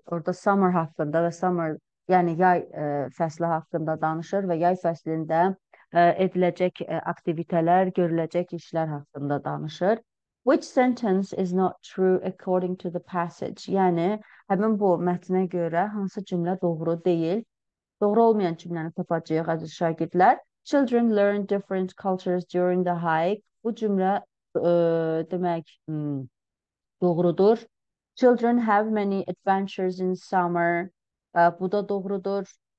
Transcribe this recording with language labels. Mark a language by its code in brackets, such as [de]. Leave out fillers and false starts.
[az] Orada summer hakkında ve summer yani yay fəsli hakkında danışır ve yay fəslinde ediləcək aktivitələr, görüləcək işlər haqqında danışır. [en] Which sentence is not true according to the passage? [az] Yəni, həmin bu mətnə görə hansı cümlə doğru deyil? Doğru olmayan cümləni tapacağıq, əziz şagirdlər. [en] Children learn different cultures during the hike. [az] Bu cümlə demək doğrudur. [en] Children have many adventures in summer. [az] Bu da doğrudur.